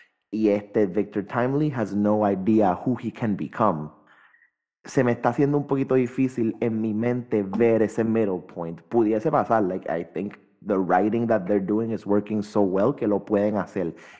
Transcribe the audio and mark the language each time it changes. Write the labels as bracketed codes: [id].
[es] Y [en] Victor Timely has no idea who he can become. [es] Se me está haciendo un poquito difícil en mi mente ver ese [en] middle point. [es] Pudiese pasar, [en] like, I think the writing that they're doing is working so well [es] que lo pueden hacer.